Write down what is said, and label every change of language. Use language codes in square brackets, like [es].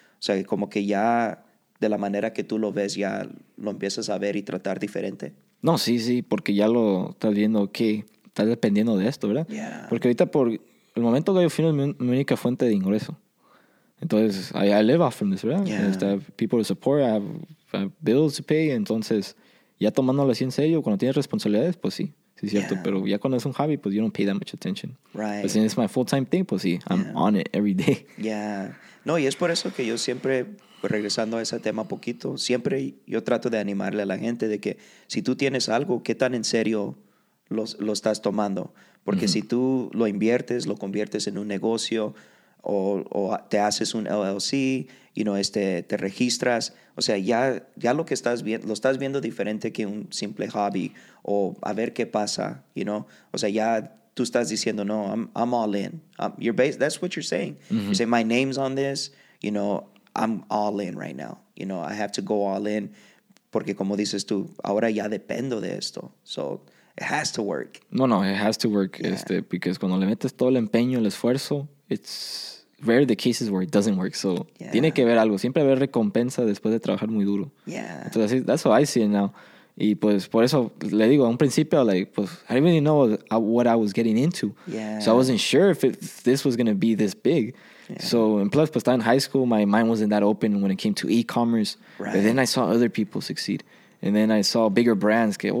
[es] O sea, como que ya de la manera que tú lo ves ya lo empiezas a ver y tratar diferente. No, sí, porque ya lo estás viendo que estás dependiendo de esto, ¿verdad? [en] Yeah. [es] Porque ahorita por el momento Galló Fino es mi única fuente de ingreso. [en] Entonces, I live off from this, ¿verdad? Yeah. People to support, I have bills to pay. [es] Entonces, ya tomándolo así en serio, cuando tienes responsabilidades, pues sí. Sí, es cierto. [en] Yeah. [es] Pero ya cuando es un hobby, pues [en] you don't pay that much attention. Right. But since it's my full-time thing, [es] pues sí, [en] I'm on it every day. Yeah. [es] No, y es por eso que yo siempre, regresando a ese tema poquito, siempre yo trato de animarle a la gente de que si tú tienes algo, ¿qué tan en serio lo estás tomando? Porque si tú lo inviertes, lo conviertes en un negocio, o te haces un LLC, te registras, o sea, ya lo que estás viendo, lo estás viendo diferente que un simple hobby o a ver qué pasa, o sea, ya tú estás diciendo, no, [en] I'm all in, that's what you're saying. Mm-hmm. You say, my name's on this, I'm all in right now, I have to go all in, [es] porque como dices tú, ahora ya dependo de esto, [en] so it has to work. No, it has to work, [es] porque cuando le metes todo el empeño, el esfuerzo, [en] it's rare the cases where it doesn't work. [es] So, tiene que ver algo. Siempre haber recompensa después de trabajar muy duro. [en] Yeah. Entonces, that's what I see now. [es] Y pues, por eso, le digo, a un principio, [en] I didn't even know what I was getting into. Yeah. So, I wasn't sure if this was going to be this big. Yeah. So, and plus, pues, in high school, my mind wasn't that open when it came to e-commerce. Right. But then I saw other people succeed. And then I saw bigger brands.